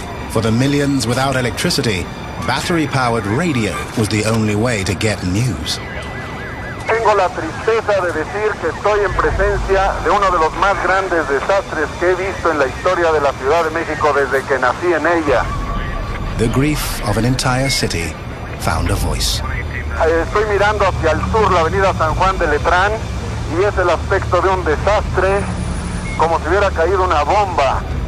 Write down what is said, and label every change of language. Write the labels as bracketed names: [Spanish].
[English] For the millions without electricity, battery-powered radio was the only way to get news. [Spanish] Tengo la tristeza de decir que estoy en presencia de uno de los más grandes desastres que he visto en la historia de la Ciudad de México desde que nací en ella. [English] The grief of an entire city found a voice. [Spanish] Estoy mirando hacia el sur, la avenida San Juan de Letrán, y es el aspecto de un desastre, como si hubiera caído una bomba.